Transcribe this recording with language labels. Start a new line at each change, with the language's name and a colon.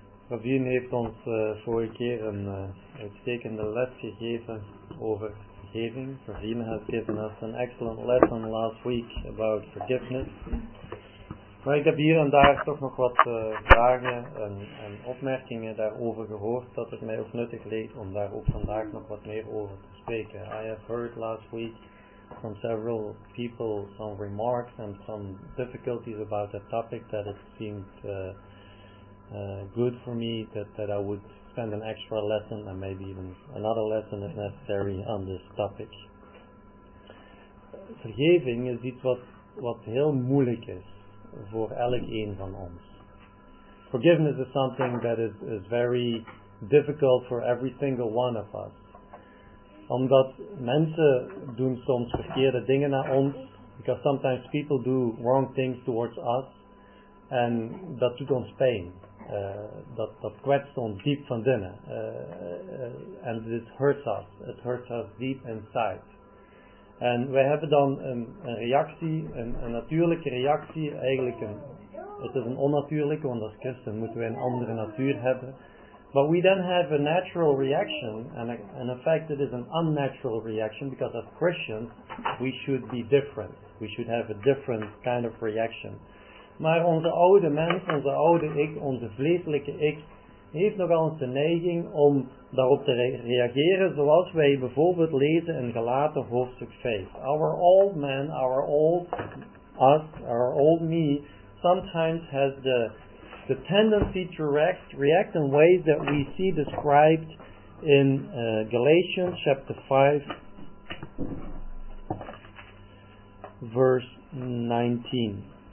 Dutch: Ravien heeft ons vorige keer een uitstekende les gegeven over vergeving.
English: Ravien has given us an excellent lesson last week about forgiveness.
Dutch: Maar ik heb hier en daar toch nog wat vragen en opmerkingen daarover gehoord, dat het mij ook nuttig leek om daar ook vandaag nog wat meer over te spreken.
English: I have heard last week from several people some remarks and some difficulties about the topic that it seemed good for me that I would spend an extra lesson and maybe even another lesson if necessary on this topic.
Dutch: Vergeving is iets wat heel moeilijk is voor elk een van ons.
English: Forgiveness is something that is very difficult for every single one of us.
Dutch: Omdat mensen doen soms verkeerde dingen naar ons,
English: because sometimes people do wrong things towards us, and
Dutch: dat doet ons pijn. Dat kwetst ons diep van binnen.
English: And it hurts us. It hurts us deep inside.
Dutch: En wij hebben dan een reactie, een natuurlijke reactie, eigenlijk het is een onnatuurlijke, want als christen moeten wij een andere natuur hebben.
English: But we then have a natural reaction, and in fact it is an unnatural reaction, because as Christians we should be different. We should have a different kind of reaction.
Dutch: Maar onze oude mens, onze oude ik, onze vleeselijke ik, heeft nogal eens de neiging om daarop te reageren zoals wij bijvoorbeeld lezen in Galaten hoofdstuk 5.
English: Our old man, our old us, our old me, sometimes has the tendency to react in ways that we see described in Galatians chapter 5, verse 19.